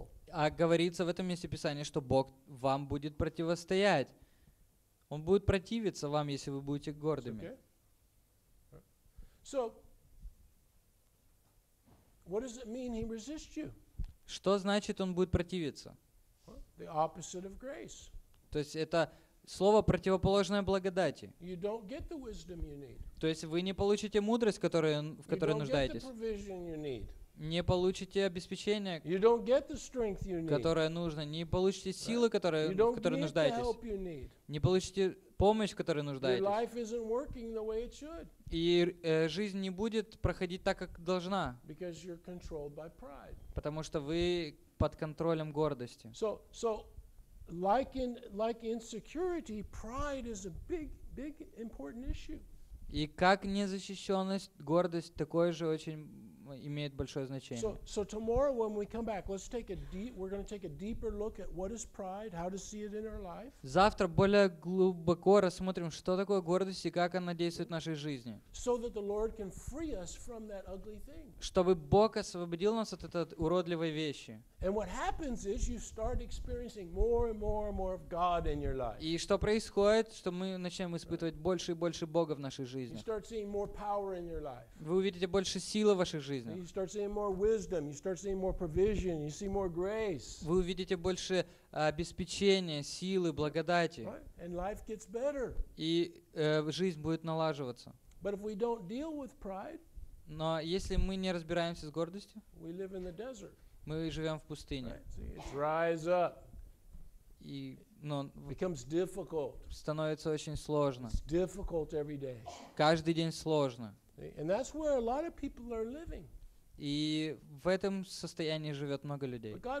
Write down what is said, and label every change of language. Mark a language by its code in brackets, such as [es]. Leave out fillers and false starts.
[ru] А говорится в этом месте Писания, что Бог вам будет противостоять. Он будет противиться вам, если вы будете гордыми. [en] So, what does it mean he resists you? [ru] Что значит он будет противиться? [en] The opposite of grace. [ru] То есть это слово противоположное благодати. [en] You don't get the wisdom you need. [ru] То есть вы не получите мудрость, в которой нуждаетесь. [en] You don't get the provision you need. [ru] Не получите обеспечение, [en] you don't get the strength you need. [ru] Которое нужно. Не получите силы, которой нуждаетесь. [en] The help you need. [ru] Не получите помощь, в которой нуждаетесь. [en] Your life isn't working the way it should. [ru] И жизнь не будет проходить так, как должна. [en] Because you're controlled by pride. [ru] Потому что вы под контролем гордости. [en] So like insecurity, pride is a big important issue. [ru] И как незащищенность, гордость такое же очень имеет большое значение. [en] So tomorrow when we come back, let's take a deep, we're going to take a deeper look at what is pride, how to see it in our life. [ru] Завтра более глубоко рассмотрим, что такое гордость и как она действует в нашей жизни. [en] So that the Lord can free us from that ugly thing. [ru] Чтобы Бог освободил нас от этой уродливой вещи. [en] And what happens is you start experiencing more and more and more of God in your life. [ru] И что происходит, что мы начинаем испытывать больше и больше Бога в нашей жизни. [en] You start seeing more power in your life. [ru] Вы увидите больше силы в вашей жизни. [en] You start seeing more wisdom, you start seeing more provision, you see more grace. [ru] Вы увидите больше обеспечения, силы, благодати. [en] And life gets better. [ru] И жизнь будет налаживаться. [en] But if we don't deal with pride, [ru] но если мы не разбираемся с гордостью, [en] we live in the desert. [ru] Мы живем в пустыне. [en] Right. [ru] И, [en] becomes difficult. [ru] Становится очень сложно. [en] It's difficult every day. [ru] Каждый день сложно. [en] And that's where a lot of people are living. [ru] И в этом состоянии живет много людей.